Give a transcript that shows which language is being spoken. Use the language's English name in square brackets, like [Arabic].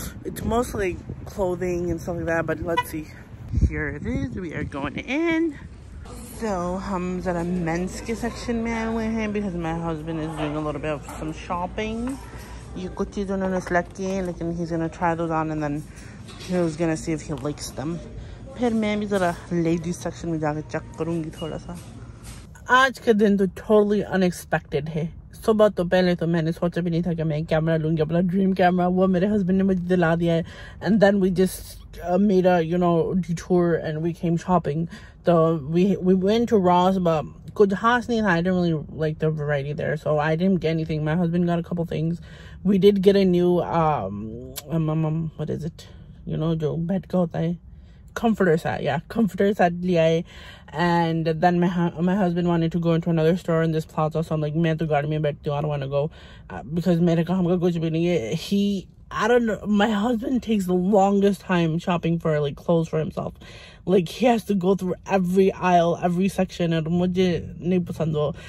[English] It's mostly clothing and stuff like that, but let's see. Here it is. We are going in. So [Hindi] hum zara men's ke section mein aaye hue hain [English] because my husband is doing a little bit of some shopping. [Hindi] Ye kuch cheez unhone select kiye hain, lekin [English] he's going to try those on and then he's going to see if he likes them. [Hindi] फिर मैं भी जरा ladies section में जाकर check करूंगी थोड़ा सा. आज का दिन तो टोटली अनएक्सपेक्टेड है. सुबह तो पहले तो मैंने सोचा भी नहीं था कि मैं कैमरा लूंगी, अपना ड्रीम कैमरा. वो मेरे हस्बैंड ने मुझे दिला दिया है, [English] And then we just made a you know detour and we came shopping. तो we went to Ross, [Hindi] but कुछ खास नहीं था. [English] I don't really like the variety there, so I didn't get anything. My husband got a couple things. We did get a new what is it, you know, [Hindi] जो bed का होता है, [English] comforter set. [Hindi] Yeah, comforter set liya hai. [English] And then my husband wanted to go into another store in this plaza, so I'm like, [Hindi] main to garden mein baithti hu, [English] I don't want to go because [Hindi] mere kaam ka kuch bhi nahi hai. [English] My husband takes the longest time shopping for like clothes for himself. Like he has to go through every aisle, every section, and [Hindi] mujhe nahi pasand ho.